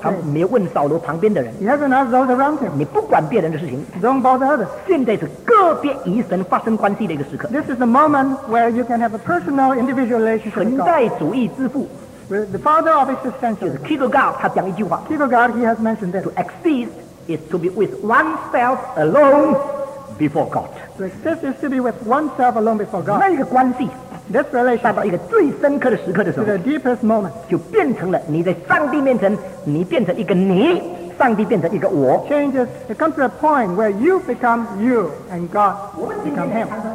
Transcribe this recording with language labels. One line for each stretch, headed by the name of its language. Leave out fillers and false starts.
Chinese: 他没有问扫罗旁边的人。
English: He hasn't asked those around him.
Chinese: 你不管别人的事情。
English: Don't bother others.
Chinese: 现在是个别与神发生关系的一个时刻。
English: This is the moment where you can have a personal, individual relationship with God.
Chinese: 存在主义之父。
English: The father of existential.
Chinese: 就是 Kierkegaard 他讲一句话。
English: Kierkegaard, he has mentioned this. To exist is to be with oneself alone before God. To exist is to be with oneself alone before God.
Chinese: 那一个关系。
English: This relationship,
Chinese: 到一个最深刻的时刻的时候
English: the deepest moment,
Chinese: 就变成了你在上帝面前你变成一个你上帝变成一个我
English: changes, it comes to a point where you become you and God become him.